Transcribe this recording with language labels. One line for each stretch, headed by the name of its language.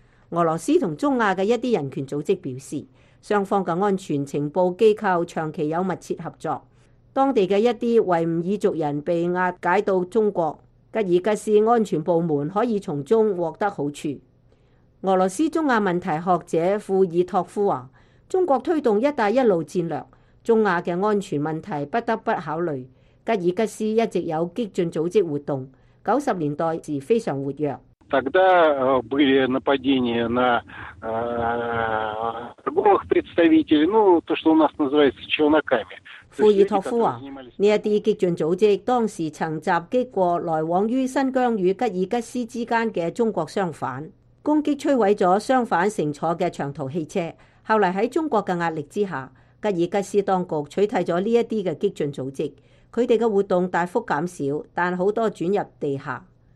Chinese: 俄罗斯和中亚的一些人权组织表示，双方的安全情报机构长期有密切合作，当地的一些维吾尔族人被押解到中国，吉尔吉斯安全部门可以从中获得好处。俄罗斯中亚问题学者库尔托夫说，中国推动一带一路战略，中亚的安全问题不得不考虑。吉尔吉斯一直有激进组织活动，90年代时非常活跃。
Russian: Тогда были нападения на торговых представителей, ну, то, что у нас называется челноками.
Chinese: 库尔托夫说，这些激进组织当时曾袭击过来往于新疆与吉尔吉斯之间的中国商贩，攻击摧毁了商贩乘坐的长途汽车。后来在中国的压力之下，吉尔吉斯当局取缔了这些激进组织，他们的活动大幅减少，但很多转入地下。